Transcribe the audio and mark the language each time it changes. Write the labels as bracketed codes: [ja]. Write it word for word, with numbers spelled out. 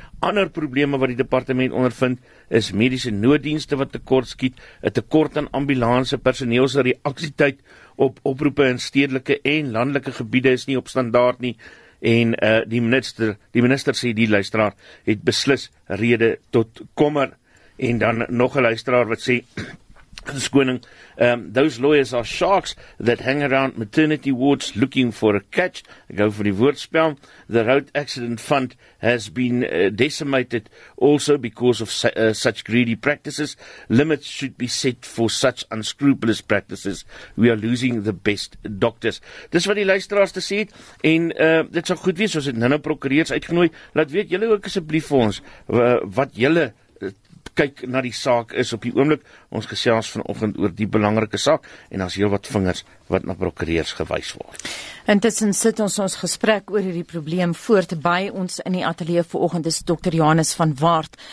[af] Ander probleme wat die departement ondervind is mediese nooddienste wat tekortskiet, 'n tekort aan ambulanse, personeel se reaksietyd op oproepe in stedelike en landelike gebiede is nie op standaard nie, en uh, die minister die minister sê die luisteraar het beslis rede tot kommer. En dan nog 'n luisteraar wat sê [en] skoning, um, those lawyers are sharks that hang around maternity wards looking for a catch. [af] Ek hou vir die woordspel. [en] The road accident fund has been uh, decimated also because of su- uh, such greedy practices. Limits should be set for such unscrupulous practices. We are losing the best doctors. [af] Dis wat die luisteraars te sê het, en uh, dit sal goed wees as dit nou-nou prokureurs uitgenooi. Laat weet julle ook asseblief vir ons uh, wat julle kyk na die saak is op die oomblik. Ons gesels vanoggend oor die belangrike saak, en daar's heel wat vingers wat na prokureurs gewys word. Intussen sit ons ons gesprek oor hierdie probleem voort. By ons in die ateljee vanoggend is dokter Janus van Waart.